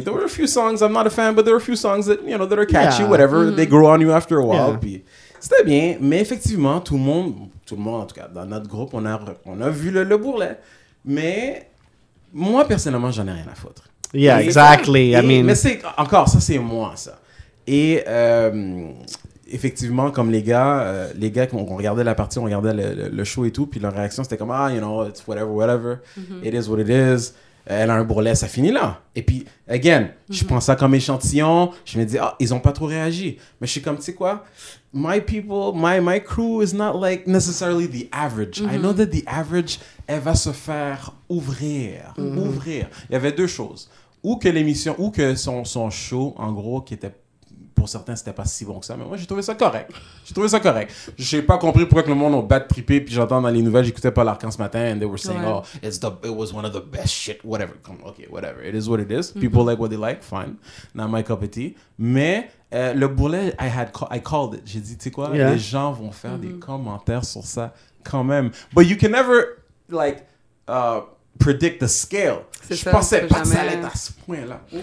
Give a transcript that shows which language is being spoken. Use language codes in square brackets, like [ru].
[en] There were a few songs, I'm not a fan, but there were a few songs that, you know, that are catchy, whatever. Mm-hmm. They grow on you after a while. Yeah. [fr] Puis, c'était bien. Mais effectivement, tout le monde, en tout cas, dans notre groupe, on a vu le bourrelet. Mais moi, personnellement, j'en ai rien à foutre. [en] Yeah, et exactly. [fr] Ça, [en] I mean... [fr] Mais c'est, encore, ça, c'est moi, ça. Et effectivement, comme les gars, quand on regardait la partie, on regardait le show et tout, puis leur réaction, c'était comme, ah, [en] you know, it's whatever, whatever. [fr] Mm-hmm. [en] It is what it is. [fr] elle a un bourrelet, ça finit là. Et puis, again, mm-hmm. je prends ça comme échantillon. Je me dis, ils n'ont pas trop réagi. Mais je suis comme, tu sais quoi? [en] My people, my crew is not like necessarily the average. [fr] Mm-hmm. [en] I know that the average, [fr] elle va se faire ouvrir. Mm-hmm. Ouvrir. Il y avait deux choses. Ou que l'émission, ou que son show, en gros, qui était... Pour certains, c'était pas si bon que ça, mais moi, j'ai trouvé ça correct. J'ai pas compris pourquoi que le monde a bad trippé, puis j'entends dans les nouvelles, j'écoutais Paul Arcand ce matin, [en] and they were saying, [fr] ouais. [en] Oh, it was one of the best shit, whatever. Come, okay, whatever. It is what it is. People mm-hmm. like what they like, fine. Not my cup of tea. [fr] Mais le boulet, [en] I called it. [fr] J'ai dit, tu sais quoi, [en] yeah. [fr] les gens vont faire mm-hmm. des commentaires sur ça quand même. [en] But you can never, like... predict the scale. [fr] C'est je ça, pensais pas jamais... que ça allait être à ce point-là.